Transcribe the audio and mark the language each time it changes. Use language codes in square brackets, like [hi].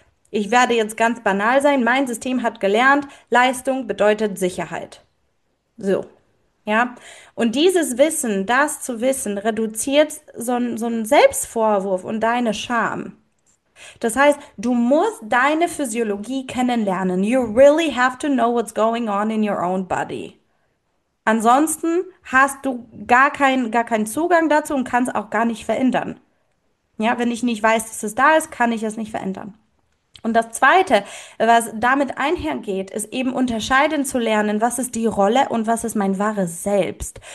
[de] Ich werde jetzt ganz banal sein, mein System hat gelernt, Leistung bedeutet Sicherheit. So. Ja, und dieses Wissen, das zu wissen, reduziert so einen Selbstvorwurf und deine Scham. Das heißt, du musst deine Physiologie kennenlernen. [en] You really have to know what's going on in your own body. [de] Ansonsten hast du gar keinen Zugang dazu und kannst auch gar nicht verändern. Ja, wenn ich nicht weiß, dass es da ist, kann ich es nicht verändern. Und das Zweite, was damit einhergeht, ist eben unterscheiden zu lernen, was ist die Rolle und was ist mein wahres Selbst.